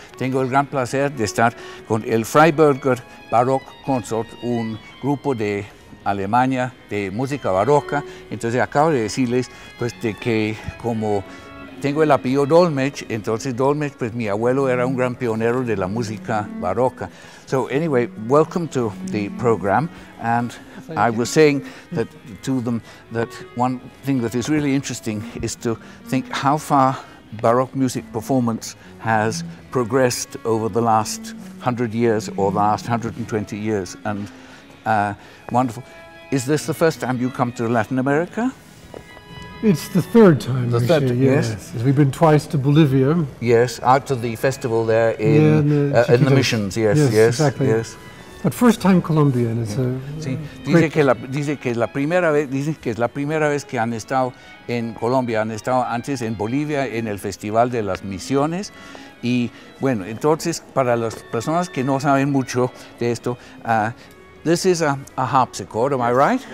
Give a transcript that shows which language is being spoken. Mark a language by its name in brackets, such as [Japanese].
[Spanish] Tengo el gran placer de estar con el Freiburger Baroque Consort, un grupo de Alemania de música barroca. Entonces acabo de decirles pues de que como tengo el apellido Dolmetsch, entonces Dolmetsch, pues mi abuelo era un gran pionero de la música barroca. [English] So anyway, welcome to the program, and I was saying that to them that one thing that is really interesting is to think how far Baroque music performance has progressed over the last 100 years or last 120 years, and wonderful. Is this the first time you come to Latin America? It's the third time, the third, say, yes. We've been twice to Bolivia. Yes, out to the festival there in the missions, yes, exactly. But first time Colombia, and it's [Spanish] dicen que es la primera vez que han estado en Colombia, han estado antes en Bolivia, en el Festival de las Misiones. Y bueno, entonces, para las personas que no saben mucho de esto, [English] this is a harpsichord, am I right?